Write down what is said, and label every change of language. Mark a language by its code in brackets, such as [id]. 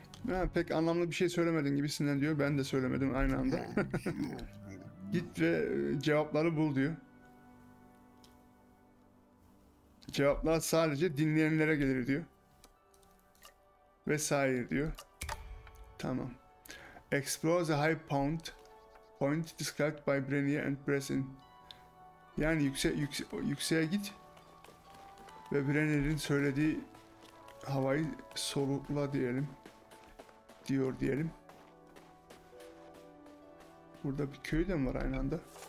[tr] Ha, pek anlamlı bir şey söylemedin gibisinden diyor. Ben de söylemedim aynı anda. Git ve cevapları bul diyor. Cevaplar sadece dinleyenlere gelir diyor. Vesaire diyor. Tamam. [en] Explore the high point described by Brenia and Bresin. [tr] Yani yükseğe git ve Brenner'in söylediği havayı solukla diyelim. Diyor diyelim. Burada bir köy de var aynı anda.